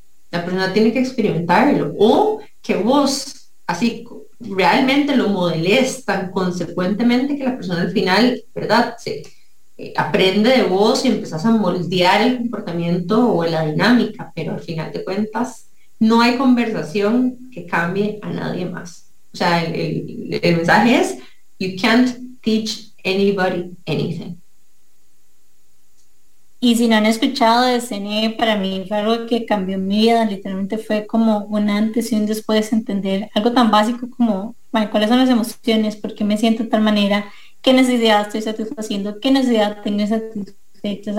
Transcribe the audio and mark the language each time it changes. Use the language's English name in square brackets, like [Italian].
[Spanish] La persona tiene que experimentarlo, o que vos así realmente lo modeles tan consecuentemente que la persona al final, ¿verdad?, aprende de vos y empezás a moldear el comportamiento o la dinámica, pero al final de cuentas no hay conversación que cambie a nadie más. O sea, el mensaje es: [English] you can't teach anybody anything. [Spanish] Y si no han escuchado de CNE, para mí fue algo que cambió mi vida. Literalmente fue como un antes y un después, entender algo tan básico como cuáles son las emociones, por qué me siento de tal manera, qué necesidad estoy satisfaciendo, qué necesidad tengo satisfecha.